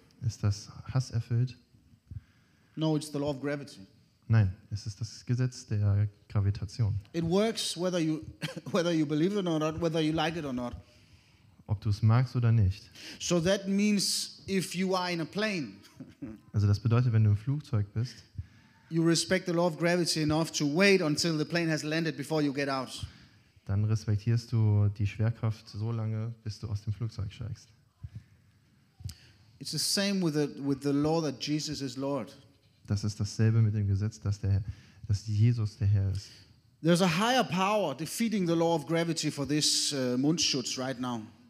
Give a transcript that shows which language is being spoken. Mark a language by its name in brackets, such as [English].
[German] Ist das hasserfüllt? [English] No, it's the law of gravity. [German] Nein, es ist das Gesetz der Gravitation. [English] It works whether you believe it or not, whether you like it or not. [German] Ob du es magst oder nicht. [English] So that means if you are in a plane. [German] Also das bedeutet, wenn du im Flugzeug bist. [English] You respect the law of gravity enough to wait until the plane has landed before you get out. [German] Dann respektierst du die Schwerkraft so lange, bis du aus dem Flugzeug steigst. [English] It's the same with the law that Jesus is Lord. [German] Das ist dasselbe mit dem Gesetz, dass Jesus der Herr ist. [English] There's a higher power defeating the law of gravity for this Mundschutz right now.